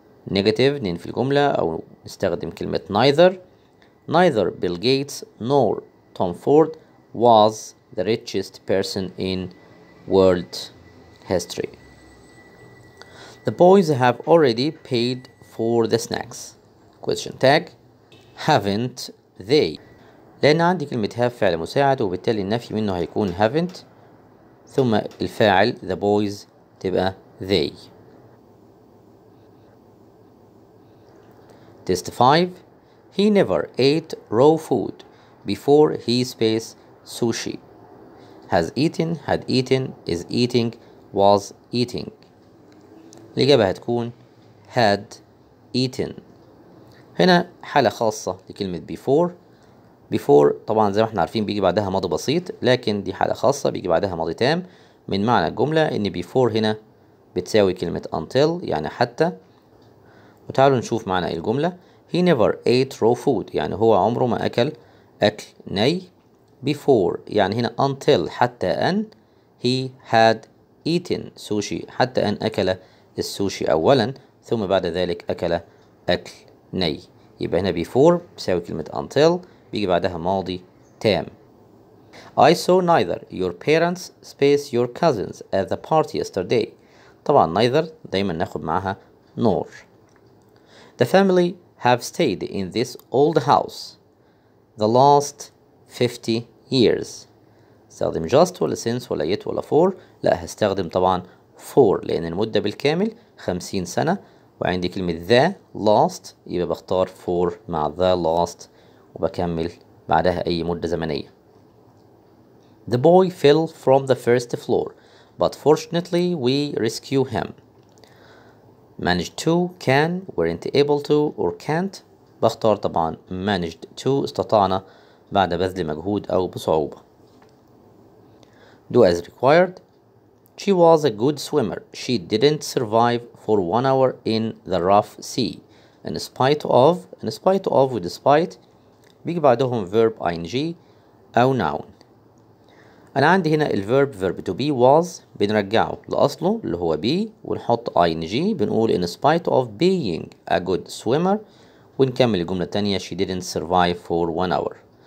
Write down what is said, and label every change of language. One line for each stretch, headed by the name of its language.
Arabic: Negative نين في الجملة أو نستخدم كلمة neither.
English: Neither Bill Gates nor Tom Ford was the richest person in world history. The boys have already paid for the snacks. Question tag. Haven't they?
Arabic: لأن عندي كلمة have فعل مساعد، وبالتالي النفي منه هيكون haven't، ثم الفاعل the boys تبقى they.
English: Test 5. He never ate raw food before he space sushi. Has eaten, had eaten, is eating, was eating.
Arabic: الإجابة هتكون had eaten. هنا حالة خاصة لكلمة before. Before طبعا زي ما احنا عارفين بيجي بعدها ماضي بسيط، لكن دي حالة خاصة بيجي بعدها ماضي تام. من معنى الجملة ان before هنا بتساوي كلمة until، يعني حتى. وتعالوا نشوف معنى الجملة.
English: He never ate raw food،
Arabic: يعني هو عمره ما اكل اكل ني. Before يعني هنا until، حتى ان.
English: He had eaten sushi،
Arabic: حتى ان اكل السوشي اولا ثم بعد ذلك اكل اكل ني. يبقى هنا before بتساوي كلمة until، بيجي بعدها ماضي تام.
English: I saw neither your parents space your cousins at the party yesterday.
Arabic: طبعا
English: neither
Arabic: دايما ناخد معها
English: nor. The family have stayed in this old house. the last 50 years.
Arabic: استخدم just ولا since ولا yet ولا for؟ لا هستخدم طبعا for لأن المدة بالكامل 50 سنة وعندي كلمة the last يبقى بختار for مع the last وبكمل بعدها أي مدة زمنية.
English: The boy fell from the first floor but fortunately we rescue him. Managed to, can, weren't able to or can't.
Arabic: بختار طبعا managed to استطعنا بعد بذل مجهود أو بصعوبة.
English: Do as required. She was a good swimmer. She didn't survive for 1 hour in the rough sea. In spite of with despite.
Arabic: بيجي بعدهم
English: verb ing أو noun.
Arabic: أنا عندي هنا الverb verb to be was بنرجعه لأصله اللي هو be ونحط ing بنقول
English: in spite of being a good swimmer
Arabic: ونكمل الجملة التانية
English: she didn't survive for 1 hour.